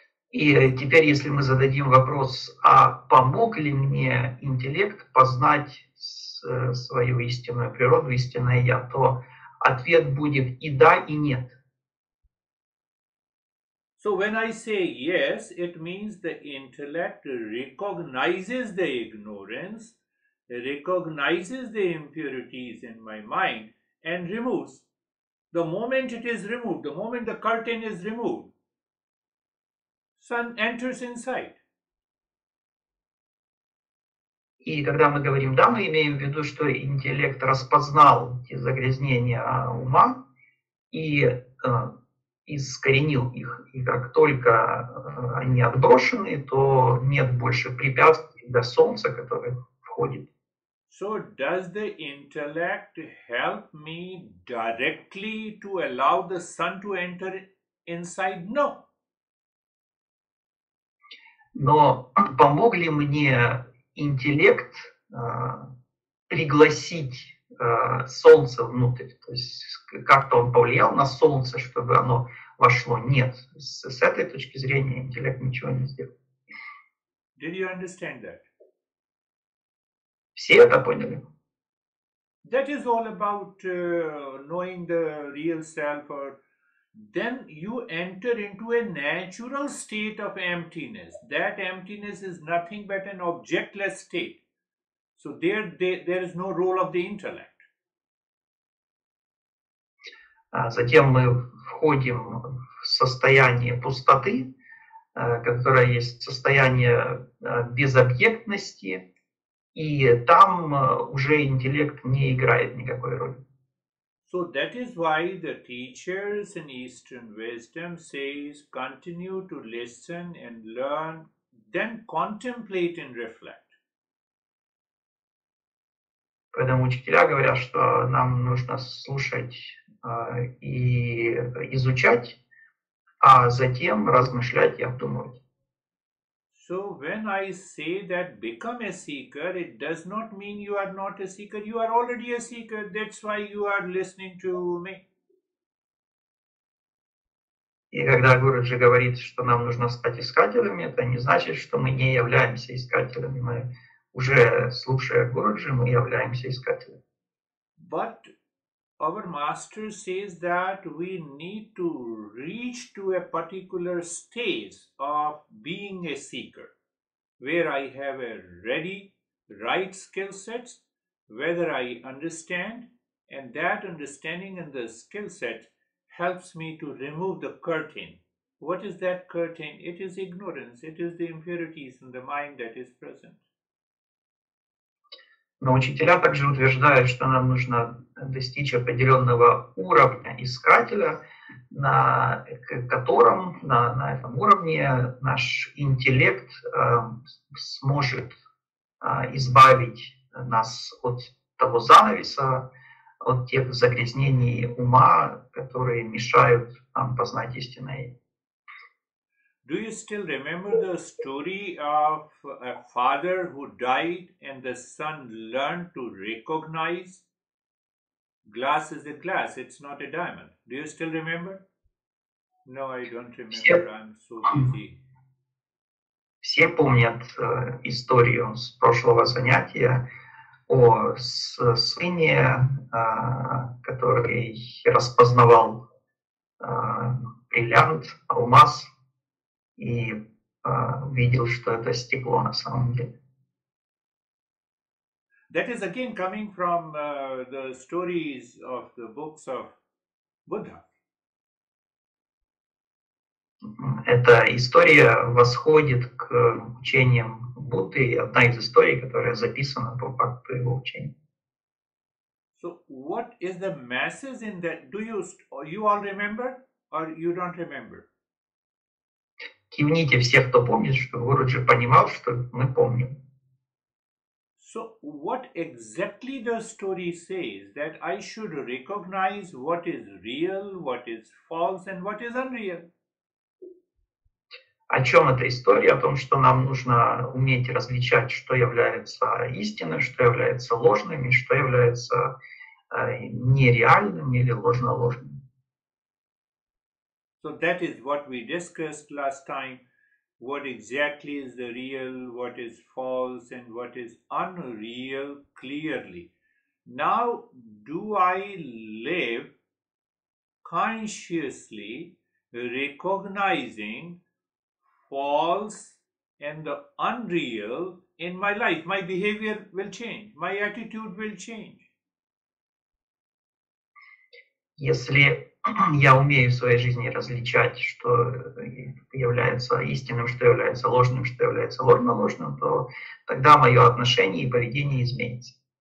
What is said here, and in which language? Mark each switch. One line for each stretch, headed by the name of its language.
Russian: И теперь, если мы зададим вопрос, а помог ли мне интеллект познать свою истинную природу, истинное я, то ответ будет и да, и нет.
English: So when I say yes, it means the intellect recognizes the ignorance, recognizes the impurities in my mind and removes. The moment it is removed, the moment the curtain is removed, sun enters inside.
Russian: И когда мы говорим «да», мы имеем в виду, что интеллект распознал эти загрязнения ума и искоренил их. И как только они отброшены, то нет больше препятствий для солнца, которое входит.
English: So does the intellect help me directly to allow the sun to enter inside? No.
Russian: Но помог ли мне интеллект пригласить солнце внутрь, то есть как-то он повлиял на солнце, чтобы оно вошло? Нет, с этой точки зрения интеллект ничего не сделал.
English: Did you understand that?
Russian: Все это поняли?
English: That is all about knowing the real self, or then you enter into a natural state of emptiness. That emptiness is nothing but an objectless state. So there is no role of the intellect.
Russian: Затем мы входим в состояние пустоты, которое есть состояние безобъектности, и там уже интеллект не играет никакой роли.
English: So that is why the teachers in Eastern wisdom says continue to listen and learn, then contemplate and reflect.
Russian: Поэтому учителя говорят, что нам нужно слушать и изучать, а затем размышлять и обдумывать.
English: So when I say that become a seeker, it does not mean you are not a seeker. You are already a seeker. That's why you are listening to me.
Russian: И когда Гуруджи говорит, что нам нужно стать искателями, это не значит, что мы не являемся искателями. Мы уже, слушая Гуруджи, мы являемся искателями.
English: But our master says that we need to reach to a particular stage of being a seeker, where I have a ready, right skill sets, whether I understand, and that understanding and the skill set helps me to remove the curtain. What is that curtain? It is ignorance. It is the impurities in the mind that is present.
Russian: Но учителя также утверждают, что нам нужно достичь определенного уровня искателя, на котором, на этом уровне наш интеллект сможет избавить нас от того занавеса, от тех загрязнений ума, которые мешают нам познать истинное.
English: Do you still remember the story of a father who died and the son learned to recognize glass is a glass, it's not a diamond? Do you still remember? No, I don't remember. I'm so busy.
Russian: Все помнят историю с прошлого занятия о сыне, который распознавал бриллиант, алмаз, и видел, что это стекло на самом деле.
English: That is again coming from the stories of the books of Buddha.
Russian: Эта история восходит к учениям Будды, одна из историй, которая записана по факту его учения.
English: So what is the message in that? Do you all remember or you don't remember?
Russian: Кивните все, кто помнит, что Гуруджи понимал, что мы помним.
English: So what exactly the story says that I should recognize what is real, what is false, and what is unreal?
Russian: О чем эта история? О том, что нам нужно уметь различать, что является истиной, что является ложным, и что является нереальным или ложно-ложным.
English: So that is what we discussed last time. What exactly is the real, what is false, and what is unreal clearly. Now, do I live consciously recognizing false and the unreal in my life? My behavior will change. My attitude will change.
Russian: Если я умею в своей жизни различать, что является истинным, что является ложно-ложным, то тогда мое отношение и поведение изменится.